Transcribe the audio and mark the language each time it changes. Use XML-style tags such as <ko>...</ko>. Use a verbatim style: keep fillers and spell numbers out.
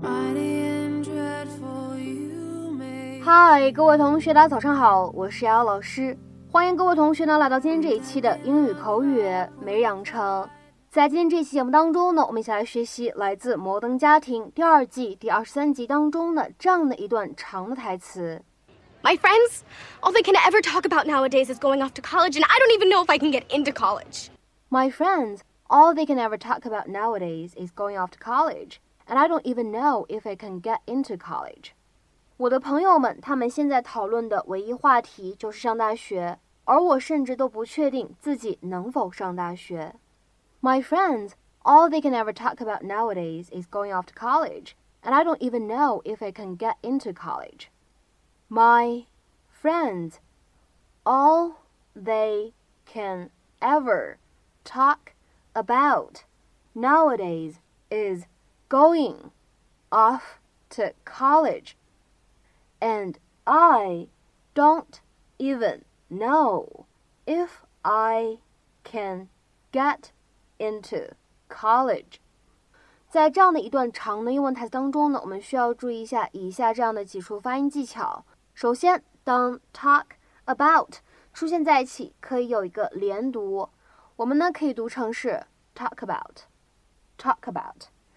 <en>Mighty and dreadful you may.</en> <zh>嗨，各位同学，大家早上好，我是姚老师，欢迎各位同学呢来到今天这一期的英语口语每日养成。在今天这期节目当中呢，我们一起来学习来自《摩登家庭》第二季第二十三集当中的这样的一段长的台词。</zh> <en>My friends, all they can ever talk about nowadays is going off to college, and I don't even know if I can get into college. My friends, all they can ever talk about nowadays is going off to college, and I don't even know if I can get into college.</en> <zh>我的朋友们，他们现在讨论的唯一话题就是上大学，而我甚至都不确定自己能否上大学。</zh> <en>My friends, all they can ever talk about nowadays is going off to college, and I don't even know if I can get into college. My friends, all they can ever talk about nowadays is going off to college, and I don't even know if I can get into college.</en> <zh>在这样的一段长的英文台词当中呢，我们需要注意一下以下这样的几处发音技巧。首先，当 talk about 出现在一起，可以有一个连读，我们呢可以读成是 talk about talk about。</zh>